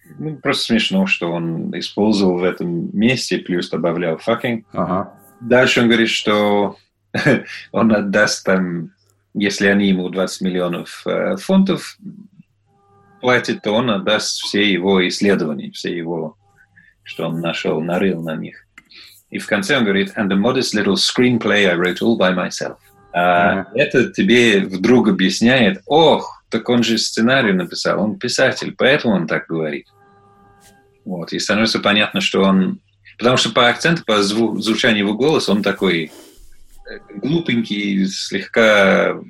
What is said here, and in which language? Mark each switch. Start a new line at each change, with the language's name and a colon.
Russian: Ну, просто смешно, что он использовал в этом месте, плюс добавлял fucking. Ага. Дальше он говорит, что он отдаст там, если они ему 20 миллионов фунтов платят, то он отдаст все его исследования, все его... что он нашел, нарыл на них. И в конце он говорит,
English: and a modest little screenplay I wrote all by myself.
Russian: А это тебе вдруг объясняет, ох, так он же сценарий написал, он писатель, поэтому он так говорит. Вот, и становится понятно, что он... Потому что по акценту, по звучанию его голоса, он такой глупенький, слегка...